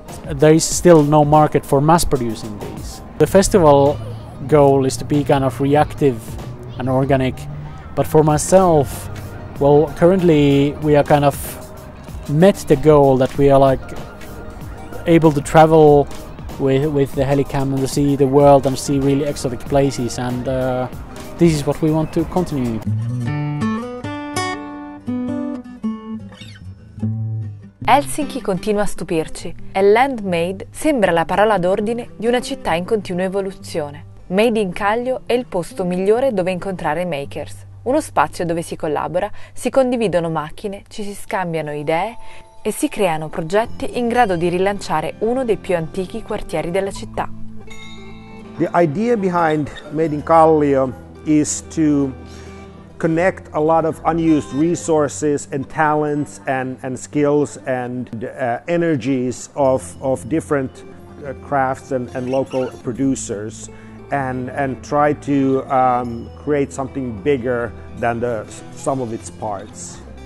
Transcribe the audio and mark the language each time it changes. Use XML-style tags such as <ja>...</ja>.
<en>There is still no market for mass producing these. The festival goal is to be kind of reactive and organic, but for myself, well, currently we are kind of met the goal that we are like able to travel with the helicam and to see the world and see really exotic places, and this is what we want to continue.</en> <it>Helsinki continua a stupirci e Land Made sembra la parola d'ordine di una città in continua evoluzione. Made in Caglio è il posto migliore dove incontrare makers. Uno spazio dove si collabora, si condividono macchine, ci si scambiano idee e si creano progetti in grado di rilanciare uno dei più antichi quartieri della città.</it> <en>The idea behind Made in Caglio is to connect a lot of unused resources and talents and skills and energies of different crafts and local producers and try to create something bigger than the sum of its parts.</en>